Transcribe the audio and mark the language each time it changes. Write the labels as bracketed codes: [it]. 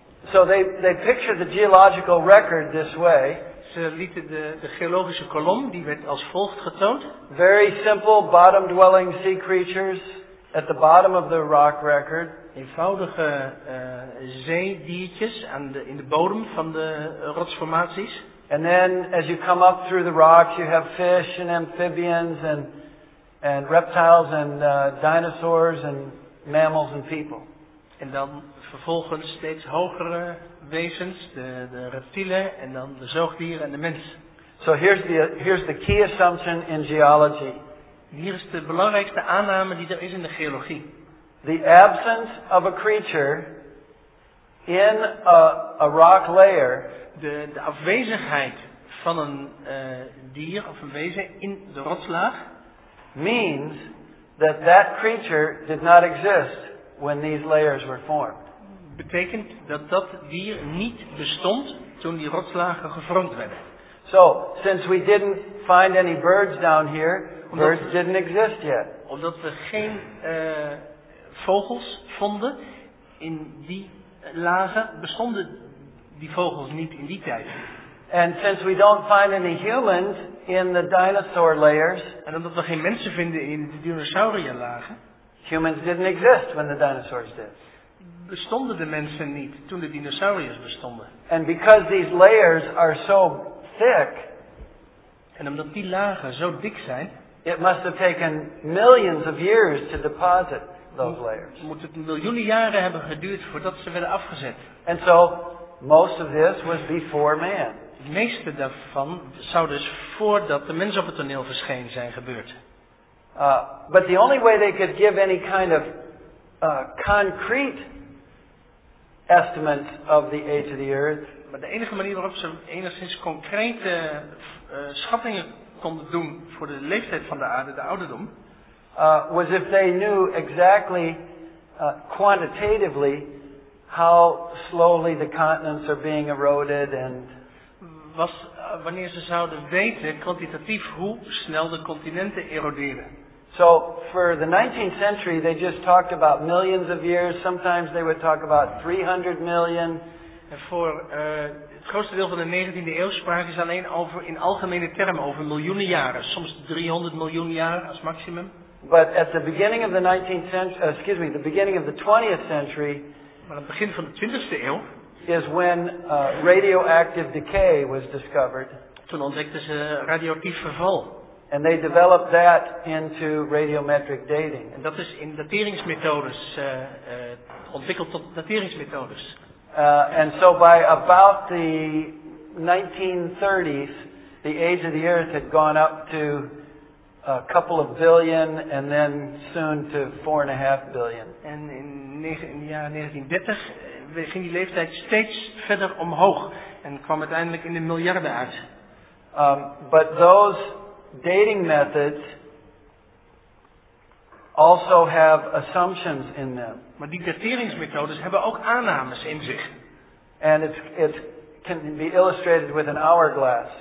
[en] So they pictured the geological record this way. [nl] Ze lieten de geologische kolom, die werd als volgt getoond. [en] Very simple bottom-dwelling sea creatures at the bottom of the rock record. [nl] Eenvoudige zeediertjes in de bodem van de rotsformaties. [en] And then as you come up through the rocks, you have fish and amphibians and reptiles and dinosaurs and mammals and people. [nl] En dan vervolgens steeds hogere wezens, de reptielen en dan de zoogdieren en de mens. [en] So here's the key assumption in geology. [nl] Hier is de belangrijkste aanname die er is in de geologie. [en] The absence of a creature in a rock layer. [nl] De afwezigheid van een dier of een wezen in de rotslaag [en] means that that creature did not exist when these layers were formed. [nl] Betekent dat dier niet bestond toen die rotslagen gevormd werden. [en] So, since we didn't find any birds down here, birds didn't exist yet. [nl] Omdat we geen vogels vonden in die lagen, bestonden die vogels niet in die tijd. [en] And since we don't find any humans in the dinosaur layers, [nl] en omdat we geen mensen vinden in de dinosaurierlagen, [en] humans didn't exist when the dinosaurs did. [nl] Bestonden de mensen niet toen de dinosauriërs bestonden. [en] And because these layers are so thick, [nl] en omdat die lagen zo dik zijn, [en] it must have taken millions of years to deposit those layers. [nl] Moet het miljoenen jaren hebben geduurd voordat ze werden afgezet. [en] And so most of this was before man. [nl] Het meeste daarvan zou dus voordat de mens op het toneel verscheen zijn gebeurd. [en] But the only way they could give any kind of concrete estimate of the age of the earth. [nl] Maar de enige manier waarop ze enigszins concrete schattingen konden doen voor de leeftijd van de aarde, de ouderdom, [en] was if they knew exactly quantitatively how slowly the continents are being eroded and [nl] was wanneer ze zouden weten kwantitatief hoe snel de continenten eroderen. [en] So for the 19th century they just talked about millions of years. Sometimes they would talk about 300 million [nl] En voor het grootste deel van de 19e eeuw spraken ze alleen over, in algemene termen, over miljoenen jaren. Soms 300 miljoen jaar als maximum. [en] But at the beginning of the 19th century, excuse me, the beginning of the 20th century. [nl] Maar het begin van de 20e eeuw. [en] Is when radioactive decay was discovered. [nl] Toen ontdekten ze radioactief verval. [en] And they developed that into radiometric dating. [nl] En dat is in dateringsmethodes ontwikkeld tot dateringsmethodes. [en] And so by about the 1930s, the age of the Earth had gone up to a couple of billion, and then soon to 4.5 billion. [nl] En in de jaren 1930 ging die leeftijd steeds verder omhoog en kwam uiteindelijk in de miljarden uit. [en] But those dating methods also have assumptions in them. [nl] Maar die dateringsmethodes hebben ook aannames in zich. [en] And it can be illustrated with an hourglass.